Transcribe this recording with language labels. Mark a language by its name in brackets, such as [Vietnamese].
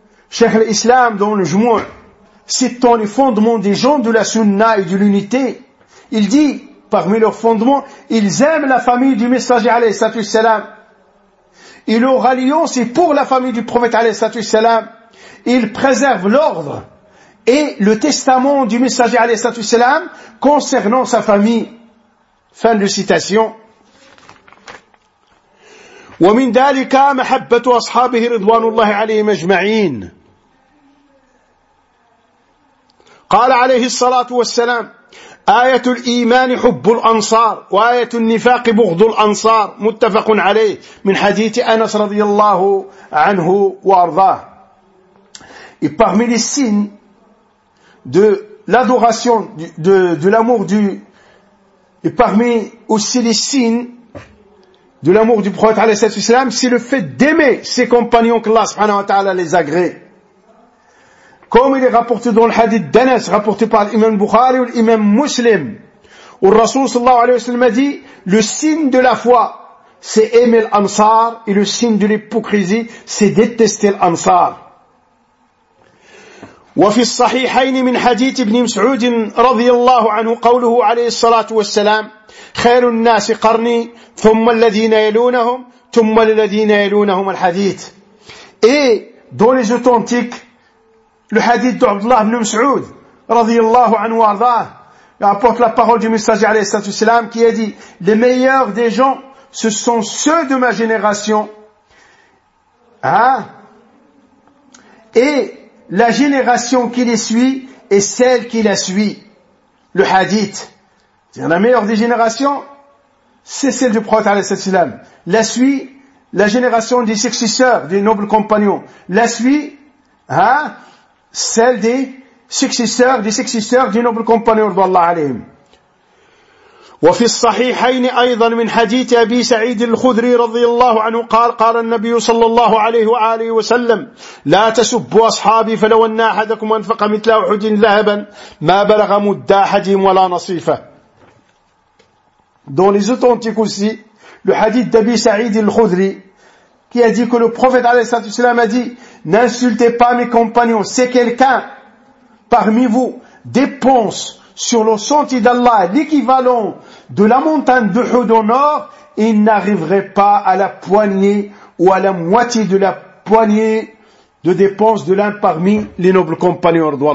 [Arabic] شيخ الإسلام [French] dans le جموع citant les fondements des gens de la sunna et de l'unité, il dit: parmi leurs fondements, ils aiment la famille du messager alayhi salatu salam. Et leur alliance est pour la famille du prophète alayhi salatu salam. Ils préservent l'ordre et le testament du messager alayhi salatu salam concernant sa famille. Fin de citation. [Arabic] ومن ذلك محبة أصحابه رضوان الله عليهم أجمعين. قال عليه الصلاة والسلام: آية الإيمان حب الأنصار وآية النفاق بغض الأنصار. متفق عليه من حديث أنس رضي الله عنه وأرضاه. [French] Et parmi les signes de l'adoration de l'amour du et parmi aussi les signes de l'amour du prophète [Arabic] عليه الصلاة والسلام, [French] c'est le fait d'aimer ses compagnons que Allah [Arabic] سبحانه وتعالى [French] les agrée. Comme il est rapporté dans le hadith d'Anas, rapporté par l'imam Bukhari ou l'imam Muslim, où le Rasoul sallallahu alayhi wa sallam a dit, le signe de la foi, c'est aimer l'ansar, et le signe de l'hypocrisie, c'est détester l'ansar. [Arabic] وفي الصحيحين من حديث ابن مسعود رضي الله عنه قوله عليه الصلاة والسلام: خير الناس قرني ثم الذين يلونهم ثم الذين يلونهم الحديث. [French] Et dans les authentiques, le hadith d'Abdullah ibn Mas'ud, radiyallahu anhu wa ardaah, apporte la parole du messager alayhi salatu wasalam qui a dit: les meilleurs des gens, ce sont ceux de ma génération, hein? Et la génération qui les suit est celle qui la suit. Le hadith. C'est-à-dire la meilleure des générations, c'est celle du prophète alayhi salatu wasalam. La suit, la génération des successeurs, des nobles compagnons. La suit, hein? Celle des successeurs du noble compagnon [Arabic] رضي الله عليهم. وفي الصحيحين أيضا من حديث أبي سعيد الخدري رضي الله عنه قال: قال النبي صلى الله عليه وآله وسلم: لا تسبوا أصحابي فلو أن أحدكم أنفق مثل أحد ذهبا ما بلغ مد أحدهم ولا نصيفة. [French] Dans les authentiques aussi, le hadith d'Abi Saïd al-Khudri qui a dit que le prophète [Arabic] عليه الصلاة والسلام [French] a dit: n'insultez pas mes compagnons. Si quelqu'un parmi vous dépense sur le sentier d'Allah l'équivalent de la montagne de Uhud au nord, il n'arriverait pas à la poignée ou à la moitié de la poignée de dépenses de l'un parmi les nobles compagnons.